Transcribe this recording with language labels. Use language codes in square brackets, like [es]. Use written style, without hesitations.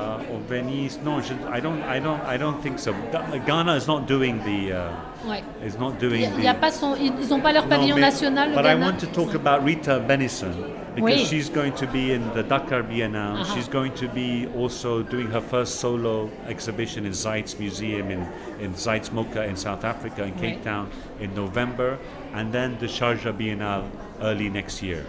[fr] Au Venise, non, [en] I don't think so. Ghana is not doing the. Is not doing. [fr] Ils n'ont pas leur pavillon national. [en] But I want to talk about Rita Benison. Because she's going to be in the Dakar Biennale. Uh-huh. She's going to be also doing her first solo exhibition in Zeitz Museum in Zeitz Mocha in South Africa, in Cape Town, in November. And then the Sharjah Biennale early next year.